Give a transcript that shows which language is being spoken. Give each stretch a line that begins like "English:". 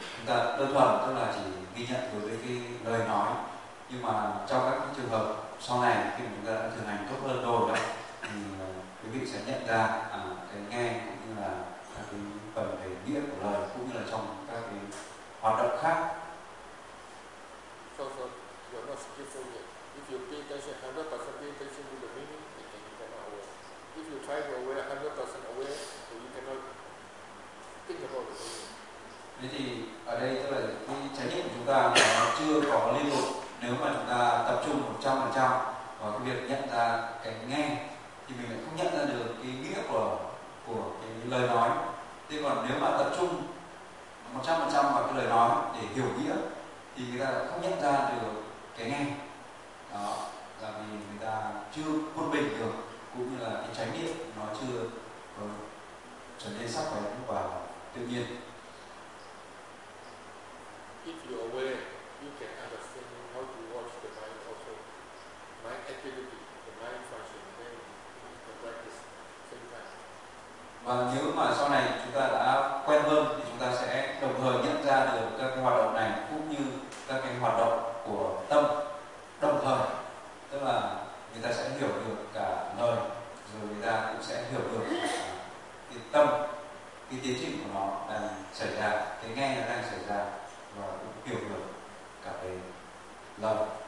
Vietnamese: chúng ta đơn thuần tức là chỉ ghi nhận đối với cái lời nói, nhưng mà trong các trường hợp sau này khi mà chúng ta đã thực hành tốt hơn rồi đó, thì quý vị sẽ nhận ra cái nghe cũng như là các cái phần về nghĩa của lời cũng như là trong các cái hoạt động khác.
English: If you pay attention 100% pay attention to the meaning, then you can become aware. If you try to aware 100% aware, then you cannot think about the meaning.
Vietnamese: Thế thì ở đây tức là cái trải nghiệm của chúng ta nó chưa có liên tục. Nếu mà chúng ta tập trung 100% vào cái việc nhận ra cái nghe thì mình lại không nhận ra được cái nghĩa của cái lời nói. Thế còn nếu mà tập trung 100% vào cái lời nói để hiểu nghĩa thì người ta không nhận ra được cái nghe. Đó là vì người ta chưa quân bình được, cũng như là cái trải nghiệm nó chưa trở nên sắc bén và tự nhiên.
English: If you are aware, you can understand how to watch the mind also. Mind activity, the mind function, then you can practice same time.
Vietnamese: Và nếu mà sau này chúng ta đã quen hơn thì chúng ta sẽ đồng thời nhận ra được các cái hoạt động này cũng như các cái hoạt động của tâm đồng thời. Tức là người ta sẽ hiểu được cả lời, rồi người ta cũng sẽ hiểu được cái tâm, cái tiến trình của nó đang xảy ra, cái nghe nó đang xảy ra, và cũng hiểu được cả về lời.